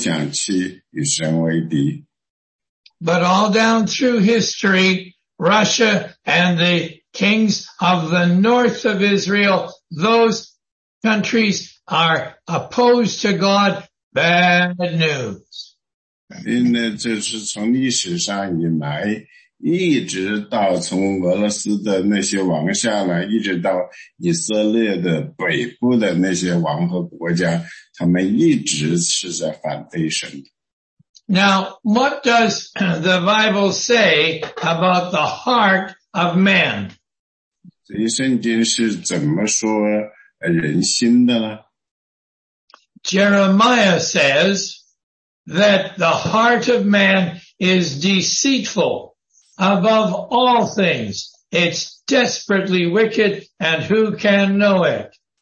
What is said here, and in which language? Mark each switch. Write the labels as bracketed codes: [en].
[zh] 如果我认为，如果我是普京，为什么呢？我不想去实现这样的预言，我不想去与神为敌。 [en] But all down through history, Russia and the kings of the north of Israel, those countries are opposed to God, bad news. [zh] 因为这是从历史上以来，一直到从俄罗斯的那些王下来，一直到以色列的北部的那些王和国家，他们一直是在反对神。 [en] Now, what does the Bible say about the heart of man? [zh] 圣经是怎么说人心的呢? [en] Jeremiah says that the heart of man is deceitful above all things. It's desperately wicked, and who can know it?